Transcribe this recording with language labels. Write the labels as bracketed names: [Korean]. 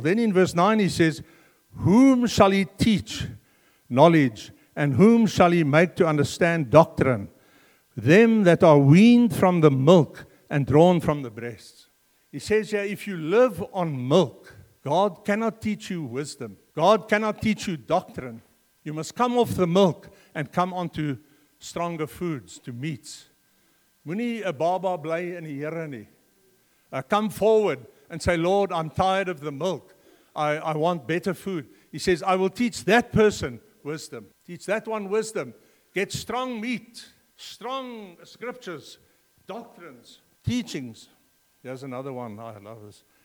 [English] Then in verse 9 he says, whom shall he teach knowledge, and whom shall he make to understand doctrine? Them that are weaned from the milk and drawn from the breasts. He says here, if you live on milk, God cannot teach you wisdom. God cannot teach you doctrine. You must come off the milk and come onto stronger foods, to meats. [Afrikaans] Moenie 'n baba bly in die Here nie. [English] Come forward and say, Lord, I'm tired of the milk. I want better food. He says, I will teach that person wisdom. Teach that one wisdom. Get strong meat, strong scriptures, doctrines, teachings. There's another one. I love this.